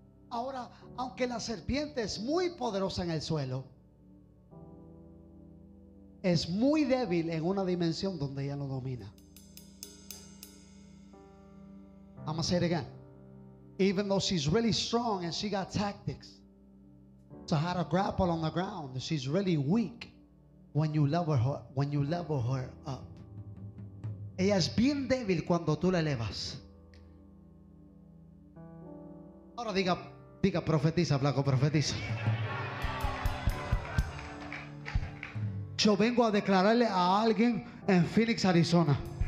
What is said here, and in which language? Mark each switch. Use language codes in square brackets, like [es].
[es] Ahora, aunque la serpiente es muy poderosa en el suelo, es muy débil en una dimensión donde ella lo domina. [en] I'm gonna say it again. Even though she's really strong and she got tactics to how to grapple on the ground, she's really weak when you level her up. [es] Ella es bien débil cuando tú la elevas. Ahora diga, diga, profetiza, flaco, profetiza. Yo vengo a declararle a alguien en Phoenix, Arizona.